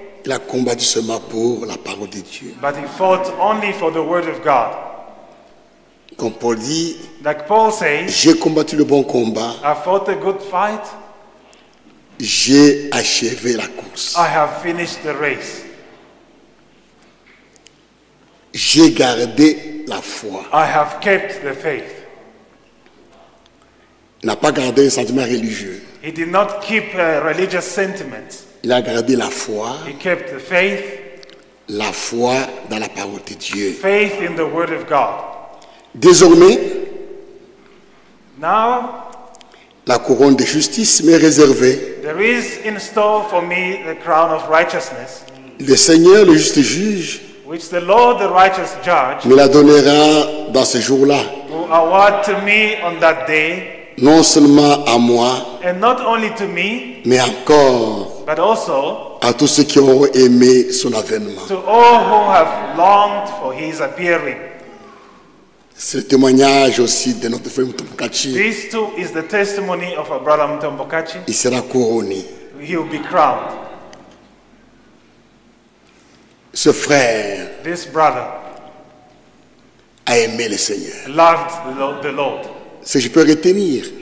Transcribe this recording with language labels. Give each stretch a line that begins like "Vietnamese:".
French: Il a combattu seulement pour la parole de Dieu.
English: But he fought only for the word of God.
French: Comme Paul dit,
English: like Paul says,
French: j'ai combattu le bon combat.
English: I fought a good fight.
French: J'ai achevé la course.
English: I have finished the race.
French: J'ai gardé la foi.
English: I have kept the faith.
French: N'a pas gardé un sentiment religieux.
English: He did not keep a religious sentiment.
French: Il a gardé la foi.
English: He kept the faith.
French: La foi dans la parole de Dieu.
English: Faith in the word of God.
French: Désormais,
English: now,
French: la couronne de justice m'est réservée.
English: There is in store for me the crown of righteousness.
French: Le Seigneur, le juste juge,
English: which the Lord, the righteous judge,
French: me la donnera dans ce jour-là.
English: Will award to me on that day.
French: Non seulement à moi,
English: and not only to me,
French: mais encore
English: but also
French: à tous ceux qui ont aimé son avènement.
English: To all who have longed for his appearing.
French: C'est le témoignage aussi de notre frère Mutombo Katshi.
English: This too is the testimony of our brother Mutombo Katshi.
French: Il sera couronné.
English: He will be crowned.
French: Ce frère,
English: this brother,
French: a aimé le Seigneur.
English: Loved the Lord.
French: Ce que je peux retenir.